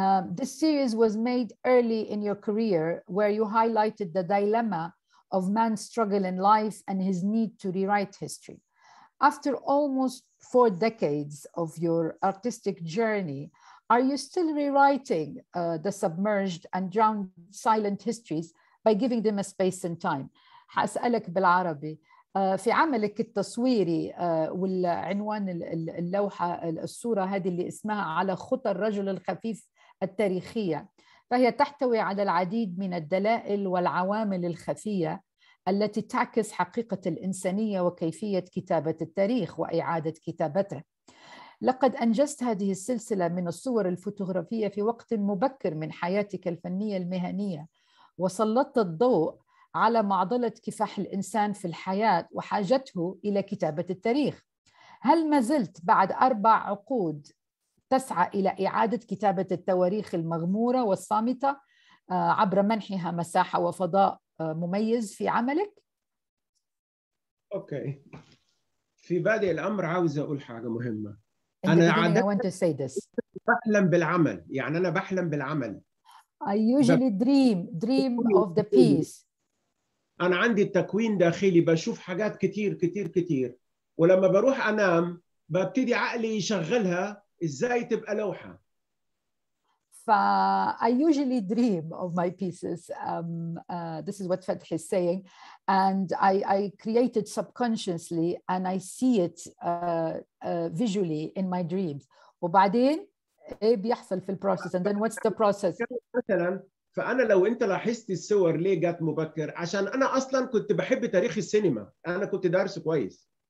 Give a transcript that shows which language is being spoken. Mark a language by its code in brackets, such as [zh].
[en] This series was made early in your career where you highlighted the dilemma of man's struggle in life and his need to rewrite history. After almost four decades of your artistic journey, are you still rewriting the submerged and drowned silent histories by giving them a space and time. [ar] حاسألك بالعربي. في عملك التصويري والعنوان اللوحة الصورة هذه اللي اسمها على خطى الرجل الخفيف التاريخية، فهي تحتوي على العديد من الدلائل والعوامل الخفية التي تعكس حقيقة الإنسانية وكيفية كتابة التاريخ وإعادة كتابته. لقد أنجزت هذه السلسلة من الصور الفوتوغرافية في وقت مبكر من حياتك الفنية المهنية، وسلطت الضوء على معضلة كفاح الإنسان في الحياة وحاجته إلى كتابة التاريخ. هل ما زلت بعد 4 عقود تسعى إلى إعادة كتابة التواريخ المغمورة والصامتة عبر منحها مساحة وفضاء مميز في عملك؟ أوكي، في بادئ الأمر عاوز أقول حاجة مهمة. أنا عادة بحلم بالعمل، يعني أنا بحلم بالعمل. [en] I usually dream of the peace. [ar] أنا عندي التكوين داخلي بشوف حاجات كتير كتير كتير، ولما بروح أنام ببتدي عقلي يشغلها إزاي تبقى لوحة. [en] I usually dream of my pieces. This is what Fadhi is saying, and I created subconsciously, and I see it visually in my dreams. [ar] وبعدين إيه بيحصل في البروسيس؟ [en] And then what's the process? [ar] مثلاً، فأنا لو أنت لاحظت الصور ليه جات مبكر؟ عشان أنا أصلاً كنت بحب تاريخ السينما، أنا كنت دارس كويس.